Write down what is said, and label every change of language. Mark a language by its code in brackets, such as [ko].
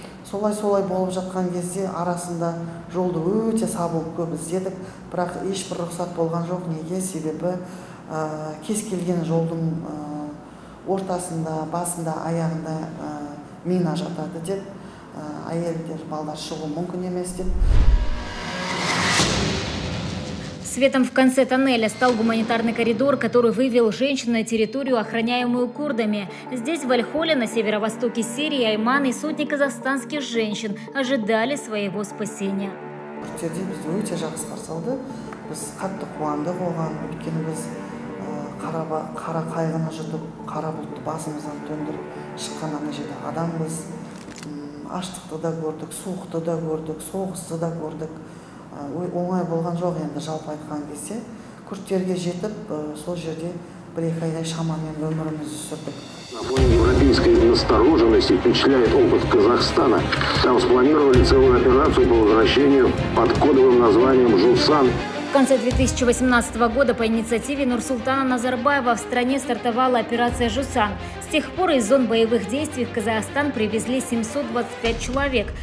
[kk] Солай-солай болып жатқан кезде арасында жолды өте сабылып көп іздедік, бірақ ешбір рұқсат болған жоқ. Неге? Себебі кез келген жолдың ортасында, басында, аяғында мина жатады деп, әйелдер, балдар шығу мүмкін емес деп. [ru] Светом в конце тоннеля стал гуманитарный коридор, который вывел женщин на территорию, охраняемую курдами. Здесь, в Аль-Холе, на северо-востоке Сирии, Айман и сотни казахстанских женщин ожидали своего спасения. [kk] Курдтерде біз өте жақсы қарсы алды. Біз қатты қуандық оған, өйткені біз қара қайғыны жұтып, қара бұлтты басымыздан төндіріп шыққаннан жерде адамбыз. Аштықты да көрдік, суықты да көрдік, соғысты да көрдік. Оңай болған жоқ енді жалпы айтқан кезде. Күрттерге жетіп, сол жерде бір-екі айдай шамамен өмірімізді сүрдік. [ru] Европейской настороженности впечатляет опыт Казахстана. Там спланировали целую операцию по возвращению под кодовым названием «Жусан». В конце 2018 года по инициативе Нурсултана Назарбаева в стране стартовала операция «Жусан». С тех пор из зон боевых действий в Казахстан привезли 725 человек.